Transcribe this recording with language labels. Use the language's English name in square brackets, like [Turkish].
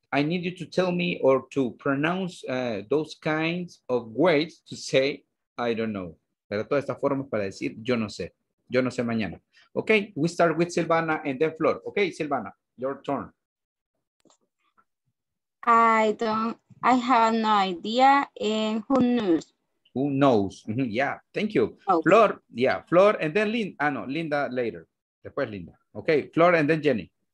[English] I need you to tell me or to pronounce those kinds of ways to say, I don't know. [Spanish] Pero todas estas formas para decir, yo no sé. Yo no sé mañana. [English] Okay, we start with Silvana and then Flor. Okay, Silvana, your turn. I have no idea. And who knows? Who knows? Yeah, thank you. Oh. Flor, yeah, Flor and then Linda. Ah, no, Linda later. [Spanish] Después [English] Linda. Okay, Flor and then Jenny.